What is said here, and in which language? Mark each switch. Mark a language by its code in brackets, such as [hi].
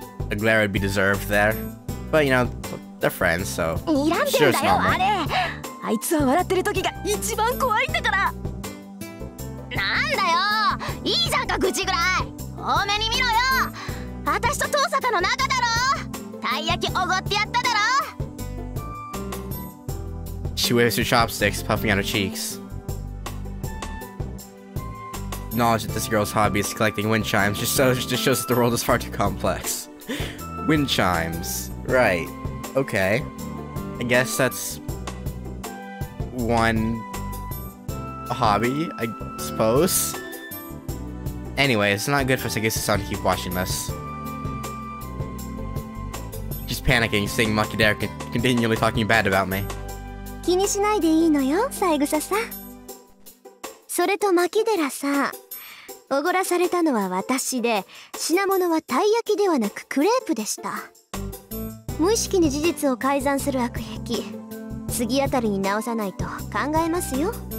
[en] A glare would be deserved there. But you know, they're friends, so... I'm sure it's normal. [ja] あいつは笑ってる時が一番怖いんだから。なんだよ、いいじゃんか愚痴ぐらい。多めに見ろよ、私と遠坂の仲だろ。たい焼きおごってやっただろ。 [en] She waves her chopsticks, puffing out her cheeks. Knowledge that this girl's hobby is collecting wind chimes just shows that the world is far too complex. Wind chimes. Right. Okay. I guess that's one hobby, I suppose. Anyway, it's not good for Sagisa-san to keep watching this. She's panicking, seeing Maki Dare continually talking bad about me. [ja] 気にしないでいいのよ、サイグサさん。それとマキデラさん、おごらされたのは私で、品物はたい焼きではなくクレープでした。無意識に事実を改ざんする悪癖、次あたりに直さないと考えますよ。